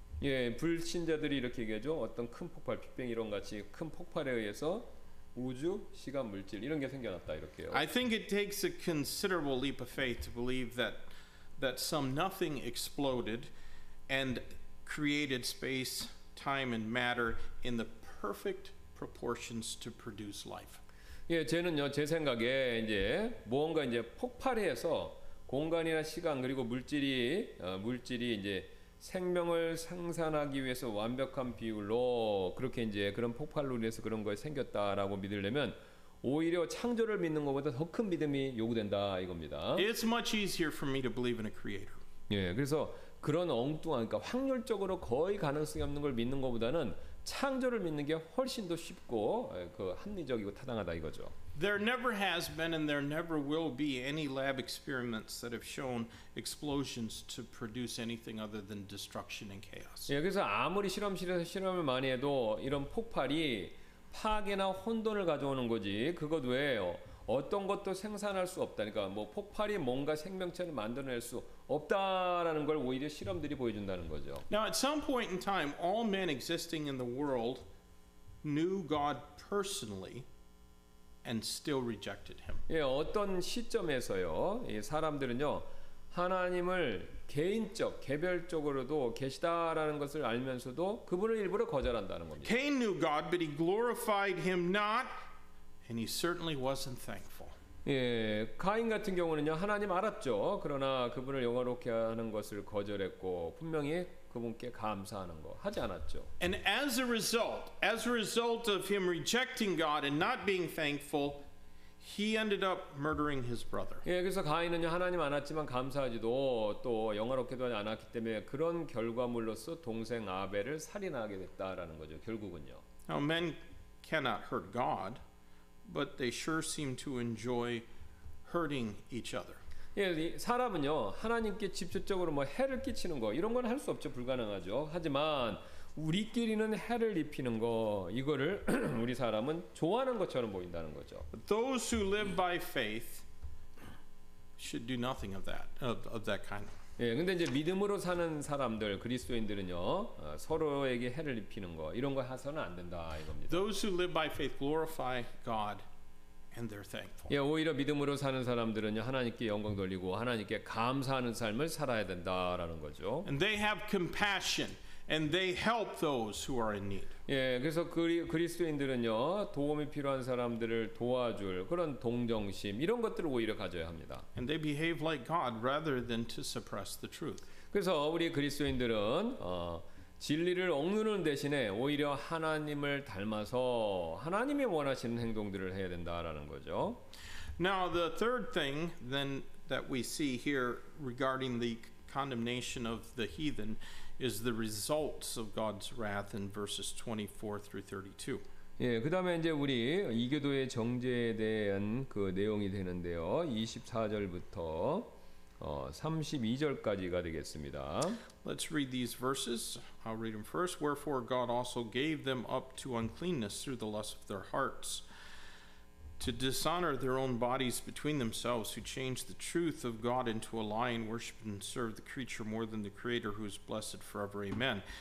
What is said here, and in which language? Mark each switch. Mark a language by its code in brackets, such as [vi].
[ko] 예, 불신자들이 이렇게 얘기하죠. 어떤 큰 폭발, 빅뱅 이런 같이 큰 폭발에 의해서 우주, 시간, 물질 이런 게 생겨났다 이렇게요. [en] I think it takes a considerable leap of faith to believe that some nothing exploded and created space, time, and matter in the perfect proportions to produce life. [ko] 예, 저는요, 제 생각에 이제 무언가 이제 폭발해서 공간이나 시간 그리고 물질이 이제 생명을 생산하기 위해서 완벽한 비율로 그렇게 이제 그런 폭발로 인해서 그런 것이 생겼다라고 믿으려면 오히려 창조를 믿는 것보다 더 큰 믿음이 요구된다 이겁니다. [en] It's much easier for me to believe in a creator. [ko] 예, 그래서 그런 엉뚱한, 그러니까 확률적으로 거의 가능성이 없는 걸 믿는 것보다는 창조를 믿는 게 훨씬 더 쉽고 그 합리적이고 타당하다 이거죠. [en] There never has been and there never will be any lab experiments that have shown explosions to produce anything other than destruction and chaos. [ko] 예, 그래서 아무리 실험실에서 실험을 많이 해도 이런 폭발이 파괴나 혼돈을 가져오는 거지 그것 외에 어떤 것도 생산할 수 없다. 그러니까 뭐 폭발이 뭔가 생명체를 만들어낼 수 없다라는 걸 오히려 실험들이 보여준다는 거죠. [en] Now at some point in time, all men existing in the world knew God personally and still rejected Him. [ko] 예, 어떤 시점에서요, 이 사람들은요, 하나님을 개인적, 개별적으로도 계시다라는 것을 알면서도 그분을 일부러 거절한다는 겁니다. [en] Cain knew God, but he glorified Him not. And he certainly wasn't thankful. [ko] 예, 가인 같은 경우는요, 하나님 알았죠. 그러나 그분을 영화롭게 하는 것을 거절했고 분명히 그분께 감사하는 거 하지 않았죠. [en] And as a result of him rejecting God and not being thankful, he ended up murdering his brother. [ko] 예, 그래서 가인은요, 하나님 알았지만 감사하지도 또 영화롭게도 하지 않았기 때문에 그런 결과물로서 동생 아벨을 살인하게 됐다라는 거죠. 결국은요. [en] Now men cannot hurt God. But they sure seem to enjoy hurting each other. [ko] 예, 사람은요 하나님께 직접적으로 뭐 해를 끼치는 거 이런 건 할 수 없죠, 불가능하죠. 하지만 우리끼리는 해를 입히는 거 이거를 우리 사람은 좋아하는 것처럼 보인다는 거죠. [en] Those who live by faith should do nothing of that kind. [ko] 예, 근데 이제 믿음으로 사는 사람들, 그리스도인들은요, 서로에게 해를 입히는 거 이런 거 해서는 안 된다 이겁니다. [en] Those who live by faith glorify God and they're thankful. [ko] 예, 오히려 믿음으로 사는 사람들은요, 하나님께 영광 돌리고 하나님께 감사하는 삶을 살아야 된다라는 거죠. [en] And they have compassion and they help those who are in need. [ko] 예, 그래서 그리스도인들은요, 도움이 필요한 사람들을 도와줄 그런 동정심 이런 것들을 오히려 가져야 합니다. [en] And they behave like God rather than to suppress the truth. [ko] 그래서 우리 그리스도인들은 진리를 억누르는 대신에 오히려 하나님을 닮아서 하나님이 원하시는 행동들을 해야 된다라는 거죠. [en] Now the third thing then that we see here regarding the condemnation of the heathen is the results of God's wrath in verses 24 through 32. [ko] 예, 그다음에 이제 우리 이교도의 정죄에 대한 그 내용이 되는데요. 24절부터 32절까지가 되겠습니다. [en] Let's read these verses. I'll read them first. Wherefore God also gave them up to uncleanness through the lust of their hearts, to dishonor their own bodies between themselves, who changed the truth of God into a lie, and worshiped and served the creature more than the Creator, who is blessed forever. Amen.